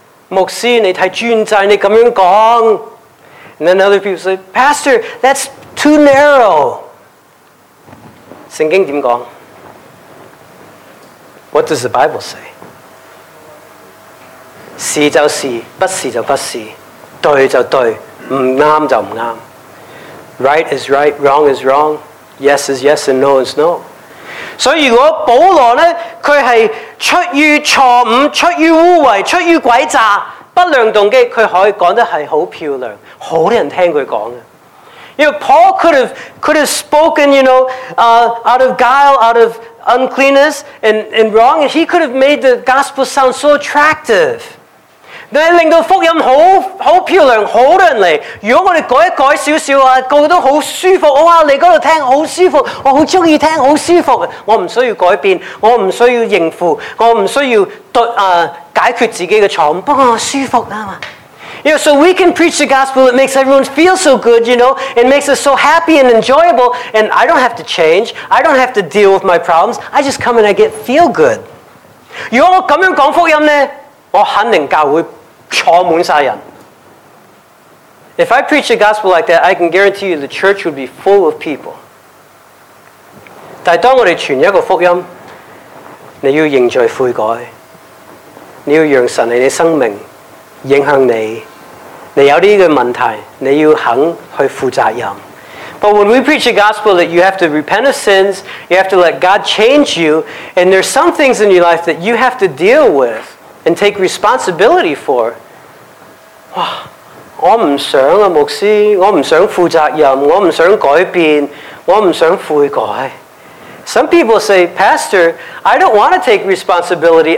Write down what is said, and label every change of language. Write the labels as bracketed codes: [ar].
[zh] 牧师，你太专制，你咁样讲。 [en] And then other people say, Pastor, that's too narrow. [zh] 圣经怎么讲？ [en] What does the Bible say? [zh] 是就是，不是就不是，对就对，唔啱就唔啱。 [en] Right is right, wrong is wrong. Yes is yes and no is no. [zh] 所以如果保罗咧，佢系出于错误、出于污秽、出于诡诈、不良动机，佢可以讲得系好漂亮，好多人听佢讲嘅。 [en] You know, Paul could have spoken, you know, out of guile, out of uncleanness and wrong, and he could have made the gospel sound so attractive. [zh] 你令到福音好好漂亮，好多人嚟。如果我哋改一改少少啊，个个都好舒服。哇，嚟嗰度听好舒服，我好中意听，好舒服。我唔需要改变，我唔需要应付，我唔需要对解决自己嘅错误，不过我舒服啊嘛。 [en] You know, so we can preach the gospel, it makes everyone feel so good, you know, it makes us so happy and enjoyable, and I don't have to change, I don't have to deal with my problems, I just come and I get feel good. [zh] 如果我咁样讲福音呢，我肯定教会坐满晒人。 [en] If I preach the gospel like that, I can guarantee you the church would be full of people. [zh] 但当我哋传一个福音，你要认罪悔改，你要让神喺你生命影响你，你有啲嘅问题，你要肯去负责任。 [en] But when we preach the gospel that you have to repent of sins, you have to let God change you, and there's some things in your life that you have to deal with and take responsibility for, [zh] 哇，我唔想啊，牧师，我唔想负责任，我唔想改变，我唔想悔改。 [en] Some people say, Pastor, I don't want to take responsibility.